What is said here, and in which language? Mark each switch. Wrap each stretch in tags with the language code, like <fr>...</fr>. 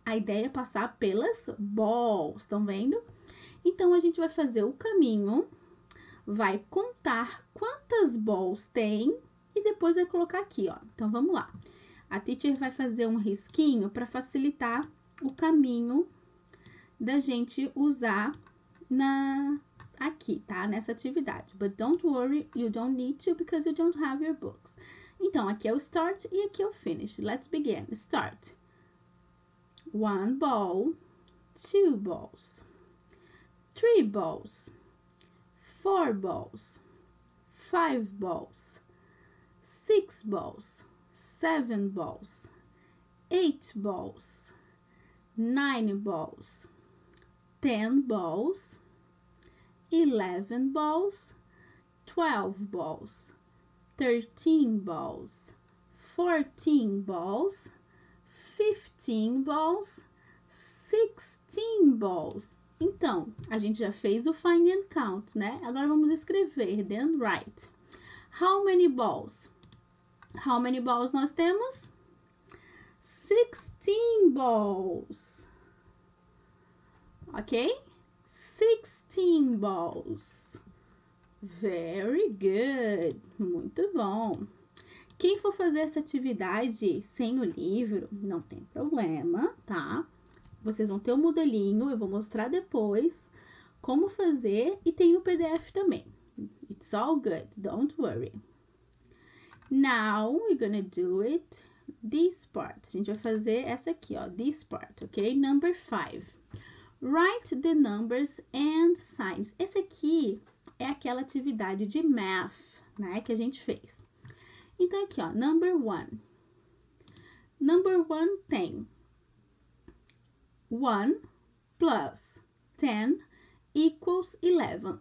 <pt>A ideia é passar pelas balls, estão vendo? Então a gente vai fazer o caminho, vai contar quantas balls tem e depois vai colocar aqui, ó. Então vamos lá. A teacher vai fazer um risquinho para facilitar o caminho da gente usar aqui, tá? Nessa atividade.</pt> <en>But don't worry, you don't need to because you don't have your books.</en> <pt>Então aqui é o start e aqui é o finish.</pt> <en>Let's begin. Start. One ball, two balls, three balls, four balls, five balls, six balls, seven balls, eight balls, nine balls, 10 balls, 11 balls, 12 balls, 13 balls, 14 balls, 15 balls, 16 balls.</en> <pt>Então, a gente já fez o</pt> <en>find and count,</en> <pt>né? Agora vamos escrever,</pt> <en>then write. How many balls? How many balls</en> <pt>nós temos?</pt> <en>16 balls. Ok? 16 balls. Very good.</en> <pt>Muito bom. Quem for fazer essa atividade sem o livro, não tem problema, tá? Vocês vão ter o um modelinho, eu vou mostrar depois como fazer e tem o PDF também.</pt> <en>It's all good, don't worry. Now we're gonna do it this part.</en> <pt>A gente vai fazer essa aqui, ó,</pt> <en>this part, ok? Number five. Write the numbers and signs.</en> <pt>Esse aqui é aquela atividade de math, né, que a gente fez. Então aqui, ó,</pt> <en>number one. Number one tem 1 plus 10 equals 11.</en>